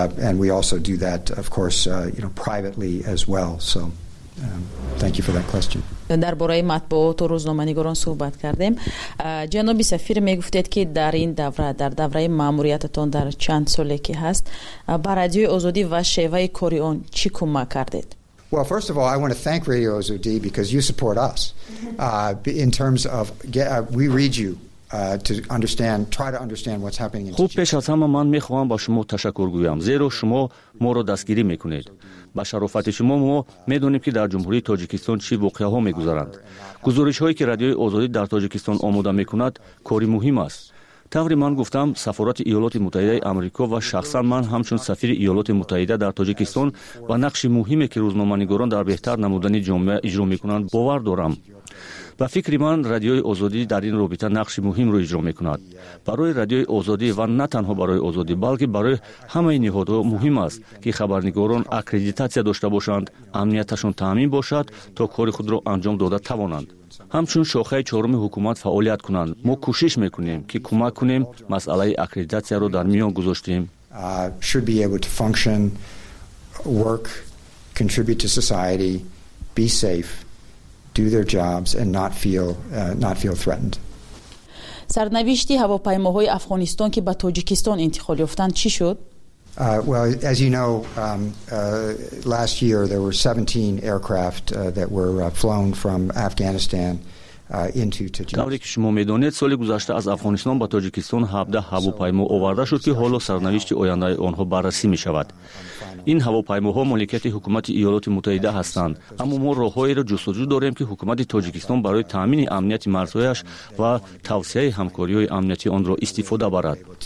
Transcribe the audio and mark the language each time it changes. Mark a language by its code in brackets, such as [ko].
[en] And we also do that, of course, you know, privately as well. So, thank you for that question. [fa] در برای مطبوعات و روزنامه‌نگاران صحبت کردیم. جناب سفیر میگفتید که در این دوره، در دوره ماموریتتان در چند سالی که هست، بر رادیوی آزادی و شیوه کاری آن چی کمک کردید؟ [en] Well, first of all, I want to thank Radio OZD because you support us. In terms of, we read you. To understand what's happening in [fa] خوب پیش از همه من میخواهم با شما تشکر گویم، زیرا شما ما را دستگیری میکنید. با شرافت شما ما میدونیم که در جمهوری تاجیکستان چی واقعه ها میگذارند. گزارش هایی که رادیوی آزادی در تاجیکستان آماده میکند کاری مهم است. طوری من گفتم، سفارت ایالات متحده آمریکا و شخصا من همچون سفیر ایالات متحده در تاجیکستان و نقش مهمی که روزنامه‌نگاران در بهتر نمودن جامعه اجرا میکنند باور دارم. با فکر من رادیوی آزادی در این رابطه نقش مهم رو اجرا میکند. برای رادیوی آزادی و نه تنها برای آزادی، بلکه برای همه نهادها مهم است که خبرنگاران اکریدیتاسیا داشته باشند، امنیتشون تامین باشد تا کار خود را انجام داده توانند. همچون شاخه چهارم حکومت فعالیت کنند. ما کوشش میکنیم که کمک کنیم مسئله اکریدیتاسیا را در میان گذاشتیم. [en] Should be able to function, work, contribute to society, be safe, do their jobs and not feel threatened. [fa] سرنوشتی هواپیماهای افغانستان که به تاجیکستان انتقال یافتند چی شد؟ [en] Well, as you know, last year there were 17 aircraft that were flown from Afghanistan into Tajikistan. [fa] طوری که شما میدونید سال گذشته از افغانستان به تاجیکستان 17 هواپیما آورده شد که حالا سرنوشت آینده آنها بررسی می شود. این هواپیماها مالکیت حکومت ایالات متحده هستند، اما ما راههایی را جستجو داریم که حکومت تاجیکستان برای تامین امنیت مرزهایش و توسعه همکاری های امنیتی آن را استفاده برد.